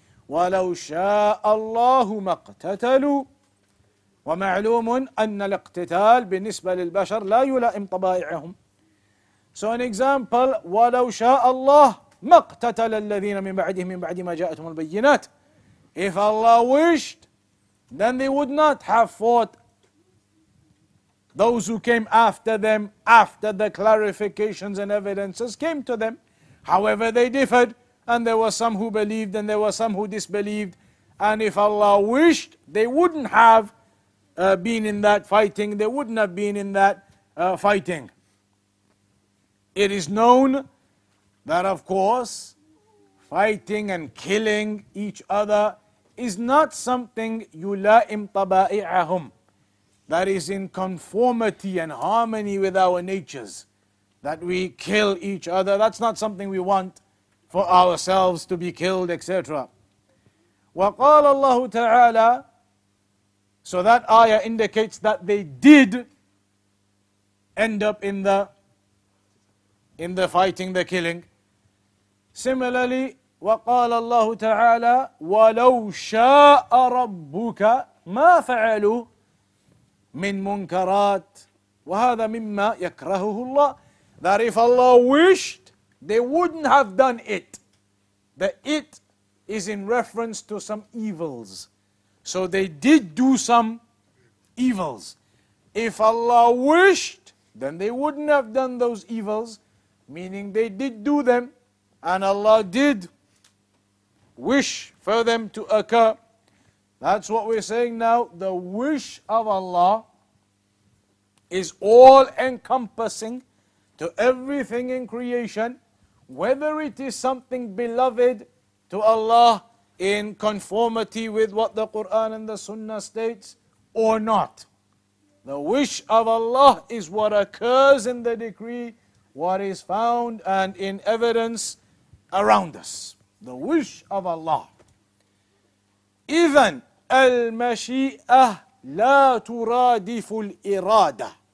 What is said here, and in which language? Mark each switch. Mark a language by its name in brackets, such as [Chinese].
[Arabic] ولو شاء الله ما اقتتلوا. ومعلوم أن الاقتتال بالنسبة للبشر لا يلائم طبائعهم. [English] So an example, [Arabic] ولو شاء الله ما اقتتل الذين من بعدهم من بعد ما جاءتهم البينات. [English] If Allah wished, then they would not have fought those who came after them, after the clarifications and evidences came to them. However, they differed, and there were some who believed and there were some who disbelieved. And if Allah wished, they wouldn't have been in that fighting. They wouldn't have been in that fighting. It is known that, of course, fighting and killing each other is not something [Arabic] yulaim taba'i'ahum, [English] that is in conformity and harmony with our natures, that we kill each other. That's not something we want for ourselves, to be killed, etc. [Arabic] وقال الله تعالى. [English] So that ayah indicates that they did end up in the fighting, the killing. Similarly, [Arabic] وقال الله تعالى ولو شاء ربك ما فعلوا من منكرات وهذا مما يكرهه الله. [English] That if Allah wished, they wouldn't have done it. The it is in reference to some evils. So they did do some evils. If Allah wished, then they wouldn't have done those evils, meaning they did do them, and Allah did wish for them to occur. That's what we're saying now. The wish of Allah is all-encompassing to everything in creation, whether it is something beloved to Allah in conformity with what the Quran and the Sunnah states or not. The wish of Allah is what occurs in the decree, what is found and in evidence around us. The wish of Allah. [Arabic] إذن المشيئة لا ترادف الإرادة.